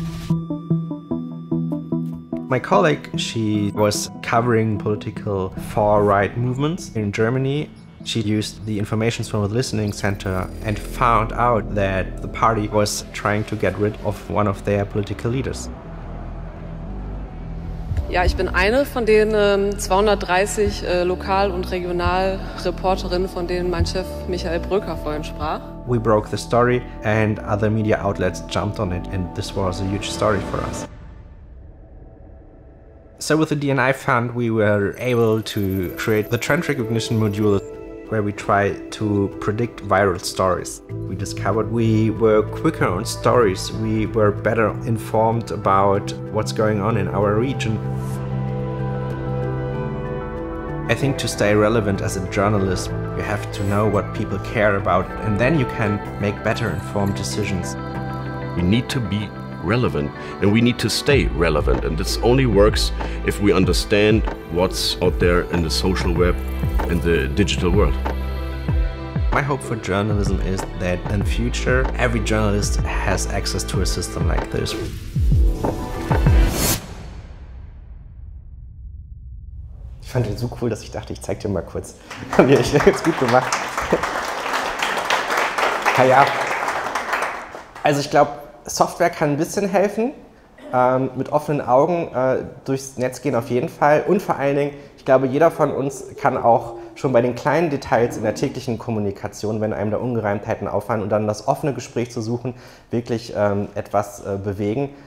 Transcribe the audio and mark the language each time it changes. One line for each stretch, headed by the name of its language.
English: My colleague, she was covering political far-right movements in Germany. She used the information from the Listening Center and found out that the party was trying to get rid of one of their political leaders.
German: Ja, ich bin eine von den 230 Lokal- und Regionalreporterinnen, von denen mein Chef Michael Bröker vorhin sprach.
English: We broke the story and other media outlets jumped on it and this was a huge story for us. So with the DNI Fund we were able to create the trend recognition module where we try to predict viral stories. We discovered we were quicker on stories, we were better informed about what's going on in our region. I think to stay relevant as a journalist, you have to know what people care about, and then you can make better informed decisions. We need to be relevant, and we need to stay relevant. And this only works if we understand what's out there in the social web and the digital world. My hope for journalism is that in future, every journalist has access to a system like this.
German: Ich fand den so cool, dass ich dachte, ich zeig dir mal kurz. Haben wir echt ganz gut gemacht. Naja, also ich glaube, Software kann ein bisschen helfen. Mit offenen Augen durchs Netz gehen auf jeden Fall. Und vor allen Dingen, ich glaube, jeder von uns kann auch schon bei den kleinen Details in der täglichen Kommunikation, wenn einem da Ungereimtheiten auffallen und dann das offene Gespräch zu suchen, wirklich etwas bewegen.